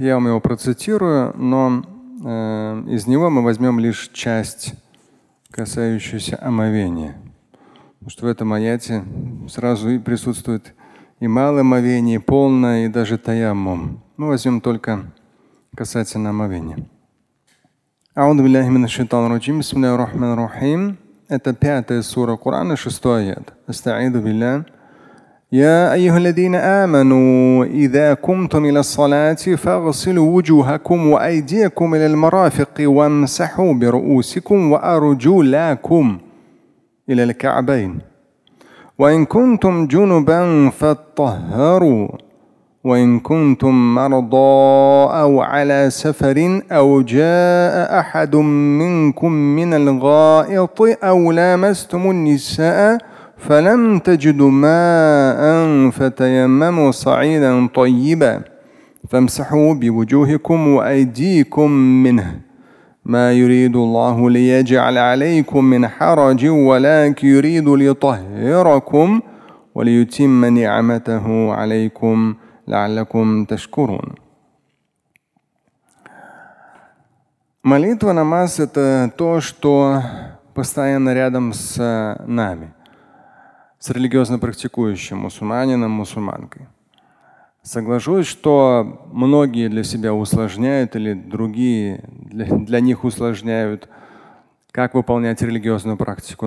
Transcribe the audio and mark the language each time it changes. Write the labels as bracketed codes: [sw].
[ru] Я вам его процитирую, но из него мы возьмем лишь часть, касающуюся омовения. Потому что в этом аяте сразу и присутствует и малое омовение, и полное, и даже таяммум. Мы возьмем только касательно омовения. [ar] أعوذ بالله من الشيطان الرجيم بسم الله الرحمن الرحيم [ru] это пятая сура Корана, шестой аят. [ar] أستعيذ بالله يا أيها الذين آمنوا إذا قمتم إلى الصلاة فاغسلوا وجوهكم وأيديكم إلى المرافق وامسحوا برؤوسكم وأرجلكم إلى الكعبين وإن كنتم جنبا فطهروا وَإِن كُنْتُمْ مَرْضَىٰ أَوْ عَلَىٰ سَفَرٍ أَوْ جَاءَ أَحَدٌ مِّنْكُمْ مِنَ الْغَائِطِ أَوْ لَامَسْتُمُ النِّسَاءَ فَلَمْ تَجِدُوا مَاءً فَتَيَمَّمُوا صَعِيدًا طَيِّبًا فَامْسَحُوا بِوُجُوهِكُمْ وَأَيْدِيكُمْ مِنْهُ مَا يُرِيدُ اللَّهُ لِيَجْعَلَ عَلَيْكُم مِّنْ حَرَجٍ وَلَٰكِن يُرِيدُ لِيُطَهِّرَكُمْ وَلِيُتِمَّ نِعْمَتَهُ عَلَيْكُمْ لَعَلَّكُمْ تَشْكُرُونَ. [ru] Молитва, намаз – это то, что постоянно рядом с нами, с религиозно практикующим мусульманином, мусульманкой. Соглашусь, что многие для себя усложняют или другие для них усложняют, как выполнять религиозную практику.